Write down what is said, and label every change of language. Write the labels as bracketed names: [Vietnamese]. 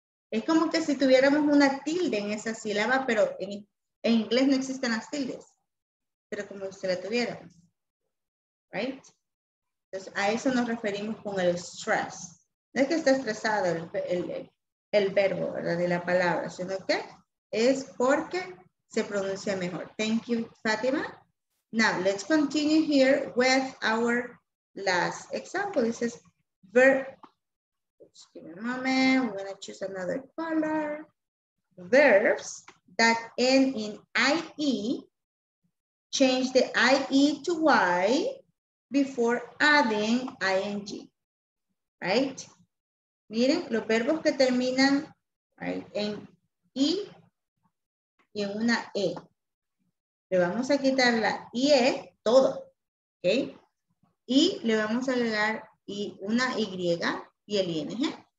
[Spanish] Es como que si tuviéramos una tilde en esa sílaba, pero en inglés no existen las tildes. Pero como si la tuviéramos. Right? Entonces, a eso nos referimos con el stress. No es que esté estresado el verbo, ¿verdad? De la palabra, sino que es porque se pronuncia mejor. [English] Thank you, Fátima. Now, let's continue here with our last example. This is verb. Just give me a moment. We're going to choose another color. Verbs that end in IE. Change the IE to Y before adding ING. Right? [Spanish] Miren, los verbos que terminan right, en I y en una E. Le vamos a quitar la IE, todo. ¿Ok? Y le vamos a agregar una Y y el ING.